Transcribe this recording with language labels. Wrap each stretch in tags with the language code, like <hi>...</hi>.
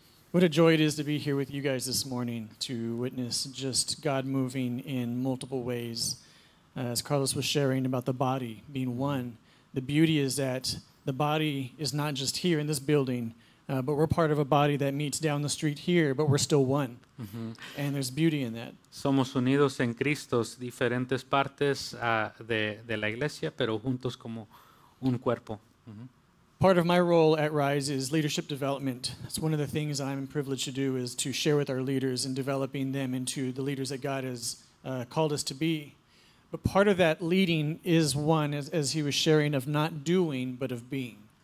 <en>What a joy it is to be here with you guys this morning to witness just God moving in multiple ways. As Carlos was sharing about the body being one, the beauty is that the body is not just here in this building, but we're part of a body that meets down the street here, but we're still one. And there's beauty in that.</en> <es>Somos unidos en Cristo, diferentes partes de la iglesia, pero juntos como un cuerpo.</es> <en>Part of my role at Rise is leadership development. It's one of the things I'm privileged to do is to share with our leaders and developing them into the leaders that God has called us to be. But part of that leading is one, as he was sharing, of not doing, but of being.</en>